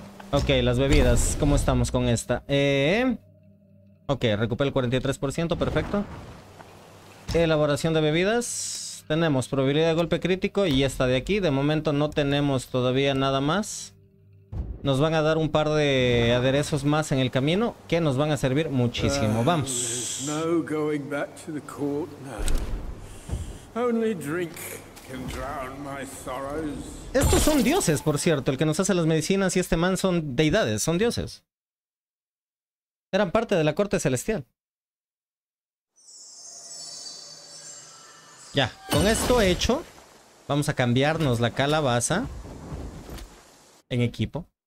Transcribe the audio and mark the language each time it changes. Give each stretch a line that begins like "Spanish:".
Spanish: Ok, las bebidas. ¿Cómo estamos con esta? Ok, recupera el 43%, perfecto. Elaboración de bebidas. Tenemos probabilidad de golpe crítico y esta de aquí. De momento no tenemos todavía nada más. Nos van a dar un par de aderezos más en el camino que nos van a servir muchísimo. Vamos.
English: No going back to the court now. Only drink can drown my sorrows.
Spanish: Estos son dioses, por cierto. El que nos hace las medicinas y este man son deidades, son dioses. Eran parte de la corte celestial. Ya, con esto hecho, vamos a cambiarnos la calabaza en equipo.